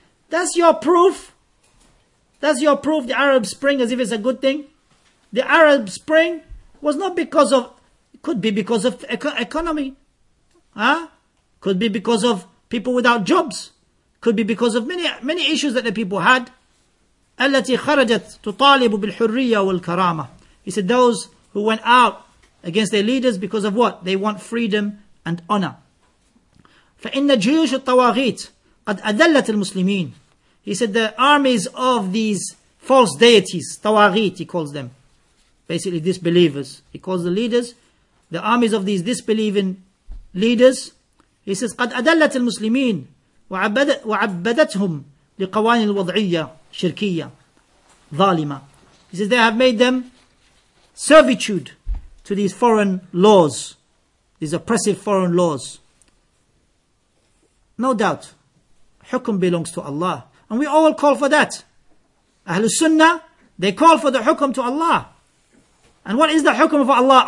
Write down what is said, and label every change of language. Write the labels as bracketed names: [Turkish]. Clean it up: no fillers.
[English] That's your proof. That's your proof, the Arab Spring, as if it's a good thing. The Arab Spring was not because of, could be because of economy. Could be because of people without jobs. Could be because of many, many issues that the people had. [Arabic] التي خرجت تطالب بالحرية والكرامة. [English] He said, those who went out against their leaders because of what? They want freedom and honor. [Arabic] فإن جيوش الطواغيت قد أذلت المسلمين. [English] He said, the armies of these false deities, طواغيت, he calls them, basically disbelievers. He calls the leaders, the armies of these disbelieving leaders. He says, [Arabic] قد أدلت المسلمين وعبدتهم لقوانين الوضعية شركية ظالمة. [English] He says, they have made them servitude to these foreign laws, these oppressive foreign laws. No doubt, حكم belongs to Allah. And we all call for that. Ahl Sunnah, they call for the حكم to Allah. And what is the hukum for Allah?